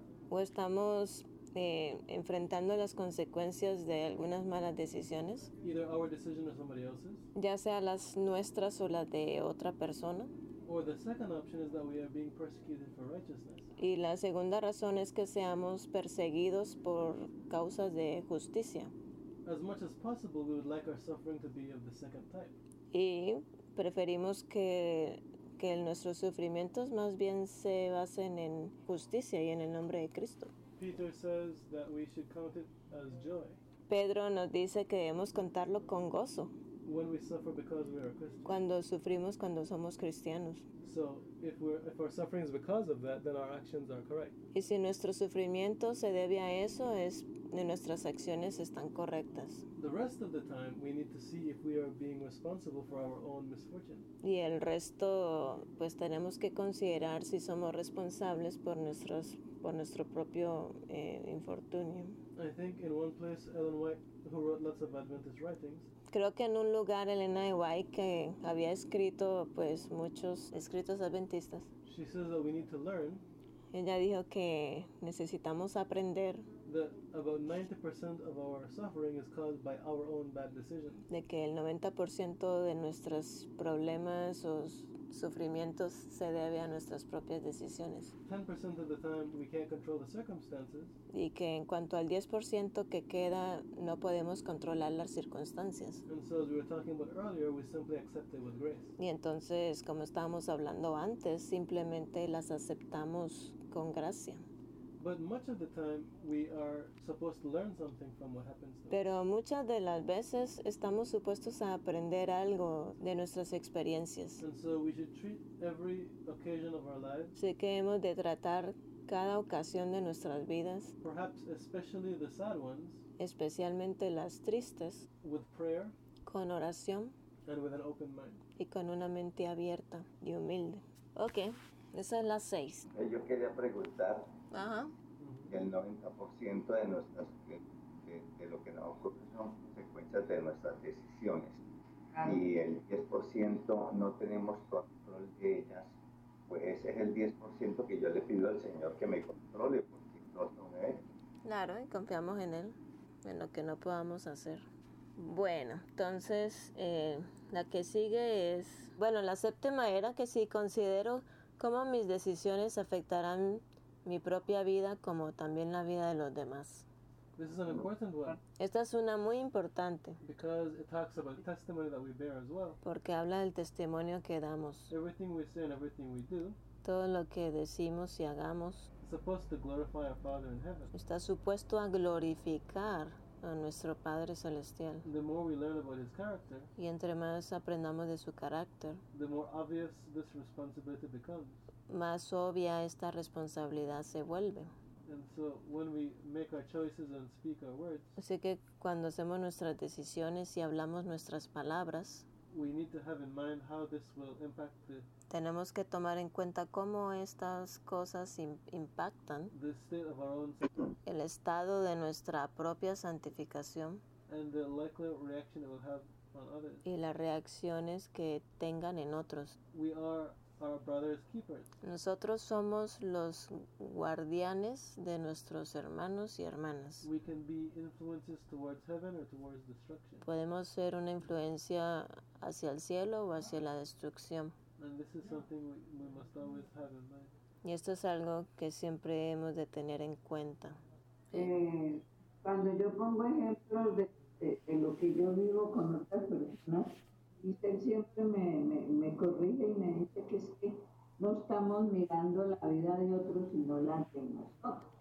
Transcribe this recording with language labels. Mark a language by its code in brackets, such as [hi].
[es] O estamos enfrentando las consecuencias de algunas malas decisiones, [en] either our decision or somebody else's, [es] ya sea las nuestras o las de otra persona. [en] Or the second option is that we are being persecuted for righteousness. [es] Y la segunda razón es que seamos perseguidos por causas de justicia. [en] As much as possible, we would like our suffering to be of the second type. [es] Y preferimos que nuestros sufrimientos más bien se basen en justicia y en el nombre de Cristo. [en] Peter says that we should count it as joy. [es] Pedro nos dice que debemos contarlo con gozo [en] When we suffer because we are Christians. [es] cuando sufrimos, cuando somos cristianos. [en] So if our suffering is because of that, then our actions are correct. [es] Y si nuestro sufrimiento se debe a eso, es que nuestras acciones están correctas. [en] The rest of the time, we need to see if we are being responsible for our own misfortune. [es] Y el resto, pues tenemos que considerar si somos responsables por nuestros, por nuestro propio infortunio. [en] I think in one place, Ellen White, who wrote lots of Adventist writings, [es] creo que en un lugar Elena de White, que había escrito pues muchos escritos adventistas, [en] she says that we need to learn, [es] ella dijo que necesitamos aprender [en] that about 90% of our suffering is caused by our own bad decisions. [es] De que el 90% de nuestros problemas o sufrimientos se debe a nuestras propias decisiones. [en] 10% of the time we can't control the circumstances. [es] Y que en cuanto al 10% que queda, no podemos controlar las circunstancias. [en] And so as we were talking about earlier, we simply accept it with grace. [es] Y entonces, como estábamos hablando antes, simplemente las aceptamos con gracia. [en] But much of the time we are supposed to learn something from what happens. [es] Pero muchas de las veces estamos supuestos a aprender algo de nuestras experiencias. [en] And so we should treat every occasion of our lives. [es] Sí que hemos de tratar cada ocasión de nuestras vidas. [en] Perhaps especially the sad ones. [es] Especialmente las tristes. [en] With prayer. [es] Con oración. [en] And with an open mind. [es] Y con una mente abierta y humilde. Okay, esa es la seis. Yo quería preguntar. Ajá. El 90% de nuestras de lo que nos ocurre son consecuencias de nuestras decisiones. Y el 10% no tenemos control de ellas. Pues ese es el 10% que yo le pido al Señor que me controle, porque no son Él. Claro, y confiamos en Él, en lo que no podamos hacer. Bueno, entonces la que sigue es, bueno, la séptima era que si considero cómo mis decisiones afectarán mi propia vida, como también la vida de los demás. [en] This is an important one. [es] Esta es una muy importante. [en] Because it talks about the testimony that we bear as well. [es] Porque habla del testimonio que damos. [en] Everything we say and everything we do. [es] Todo lo que decimos y hagamos. [en] It's supposed to glorify our Father in heaven. [es] Está supuesto a glorificar a nuestro Padre Celestial. [en] The more we learn about his character, [es] y entre más aprendamos de su carácter, [en] the more obvious this responsibility becomes. [es] Más obvia esta responsabilidad se vuelve. [en] And so when we make our choices and speak our words, [es] así que cuando hacemos nuestras decisiones y hablamos nuestras palabras, [en] we need to have in mind how this will impact the, [es] tenemos que tomar en cuenta cómo estas cosas impactan [en] the state of our own, [es] el estado de nuestra propia santificación [en] and the likely reaction it will have on others. [es] Y las reacciones que tengan en otros. [en] We are our brother's keepers. [es] Nosotros somos los guardianes de nuestros hermanos y hermanas. [en] We can be influences towards heaven or towards destruction. [es] Podemos ser una influencia hacia el cielo o hacia la destrucción. [en] And this is something we must always have in mind. [es] Y esto es algo que siempre hemos de tener en cuenta. Cuando yo pongo ejemplos de lo que yo vivo con otras personas, y él siempre me corrige y me dice que es que no estamos mirando la vida de otros sino la de nosotros.